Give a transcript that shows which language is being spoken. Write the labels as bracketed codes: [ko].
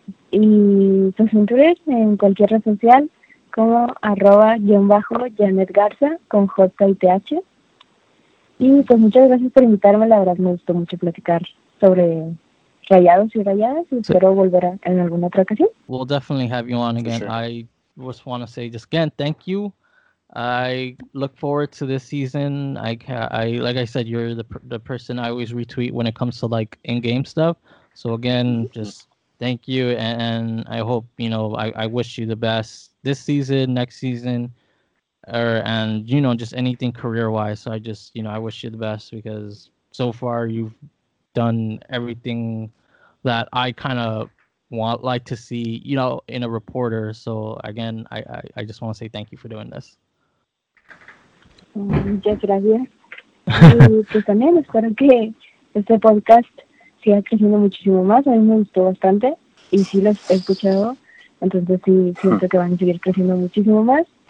[es] Y pues en Twitter, en cualquier red social, como @Janet Garza, con J y TH. Y pues muchas gracias por invitarme. La verdad, me gustó mucho platicar sobre Rayados y Rayadas. Y espero volver en alguna otra ocasión. [en] We'll definitely have you on again. Just want to say just again thank you. I look forward to this season. I like I said, you're the person I always retweet when it comes to like in-game stuff, so again just thank you, and I hope I wish you the best this season, next season, and just anything career-wise. So I just I wish you the best, because so far you've done everything that I kind of like to see, in a reporter. So again, I just want to say thank you for doing this. [es] Muchas gracias. Y pues también espero que este podcast siga creciendo muchísimo más. A mí me gustó bastante y sí los he escuchado. Entonces sí, siento que van a seguir creciendo muchísimo más.